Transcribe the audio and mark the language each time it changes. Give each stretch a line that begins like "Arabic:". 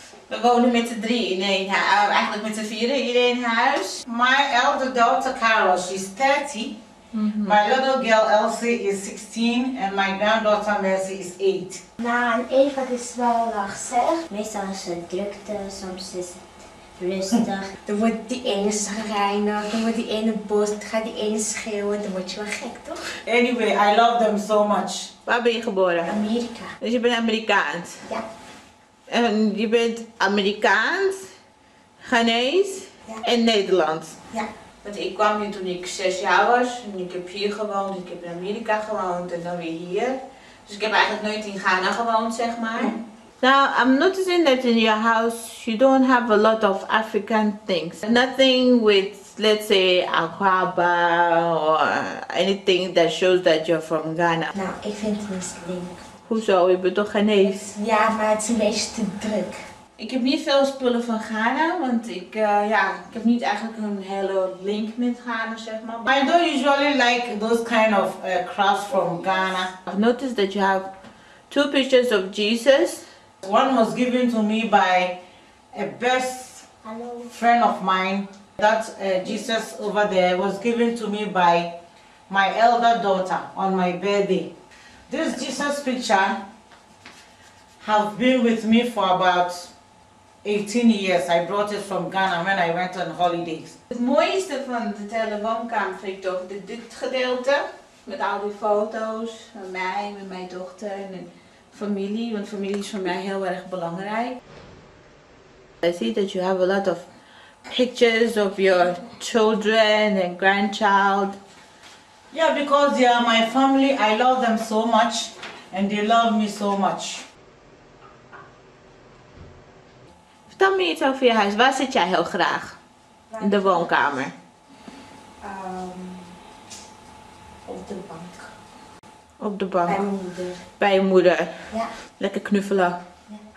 Dutch: We wonen met z'n drie in één huis, eigenlijk met z'n vieren in één huis.
English: My elder daughter Carol, she's 30. Mm-hmm. My little girl Elsie is 16 and my granddaughter Mercy is 8.
Dutch: Nou, en Eva is wel lastig. Meestal is het drukte, soms is het rustig. Dan wordt die ene schrijnig, dan wordt die ene boos, dan gaat die ene schreeuwen, dan word je wel gek toch?
English: Anyway, I love them so much.
Dutch: Waar ben je geboren? Amerika. Dus je bent Amerikaans? Ja. En je bent Amerikaans, Ghanese, ja. En Nederlands. Ja. Want ik kwam hier toen ik 6 jaar was. En ik heb hier gewoond, ik heb in Amerika gewoond en dan weer hier. Dus ik heb eigenlijk nooit in Ghana gewoond, zeg maar.
English: Now, I'm noticing that in your house you don't have a lot of African things. Nothing with, let's say, Akwaba or anything that shows that you're from Ghana.
Dutch: Nou, ik vind het misleidend. Hoezo? Je bent toch Ghanees? Ja, maar het is een beetje te druk. Ik heb niet veel spullen van Ghana, want ik heb niet eigenlijk een hele link met Ghana, zeg maar.
English: I don't usually like those kind of crafts from Ghana. I've noticed that you have 2 pictures of Jesus. One was given to me by a best friend of mine. That Jesus over there was given to me by my elder daughter on my birthday. This Jesus picture has been with me for about 18 years. I brought it from Ghana when I went on holidays.
Dutch: Het mooiste van de telefoonkamer vind ik toch dit gedeelte. Met al die foto's van mij, met mijn dochter en familie. Want familie is voor mij heel erg belangrijk.
English: I see that you have a lot of pictures of your children and grandchild. Yeah, because they are my family. I love them so much and they love me so much.
Dutch: Vertel me iets over je huis. Waar zit jij heel graag? In de woonkamer. Op de bank. Op de bank. Bij mijn moeder. Bij je moeder. Ja. Lekker knuffelen. Ja.